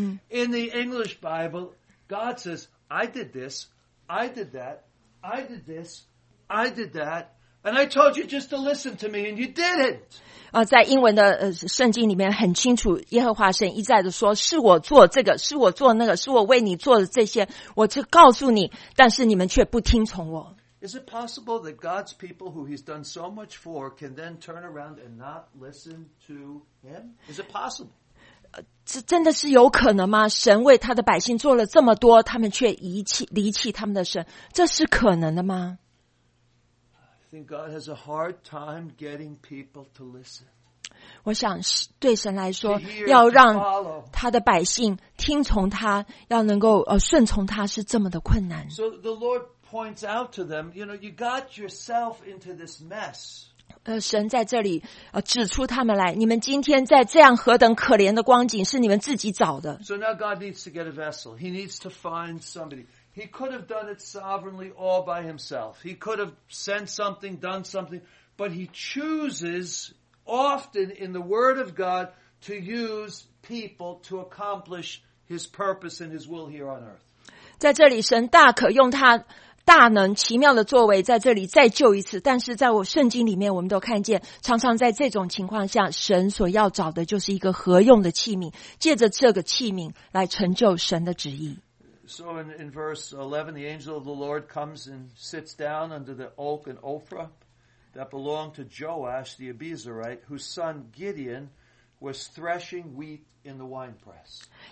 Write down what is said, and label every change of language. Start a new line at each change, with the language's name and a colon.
English: In the English Bible, God says, I did this. I did that, I did this, I did that, and I told you just to listen to me, and you didn't.
Chinese: 在英文的圣经里面很清楚，耶和华神一再的说，是我做这个，是我做那个，是我为你做的这些，我就告诉你，但是你们却不听从我。
English: Is it possible that God's people who he's done so much for can then turn around and not listen to him? Is it possible?
Chinese: 这真的是有可能吗？神为他的百姓做了这么多，他们却离弃他们的神，这是可能的吗？
English: I think God has a hard time getting people to listen.
Chinese: 我想对神来说，要让他的百姓听从他，要能够顺从他，是这么的困难。
English: So the Lord points out to them, you know, you got yourself into this mess.
Chinese: 神在这里指出他们来，你们今天在这样何等可怜的光景，是你们自己找的。
English: So now God needs to get a vessel. He needs to find somebody. He could have done it sovereignly all by himself. He could have sent something, done something, but he chooses often in the Word of God to use people to accomplish his purpose and his will here on earth.
Chinese: 在这里神大可用他大能奇妙的作为在这里再救一次，但是在我圣经里面我们都看见，常常在这种情况下，神所要找的就是一个合用的器皿，借着这个器皿来成就神的旨意。
English: So in verse 11, the angel of the Lord comes and sits down under the oak and Ophrah that belonged to Joash the Abiezrite, whose son Gideon was threshing wheat in the winepress.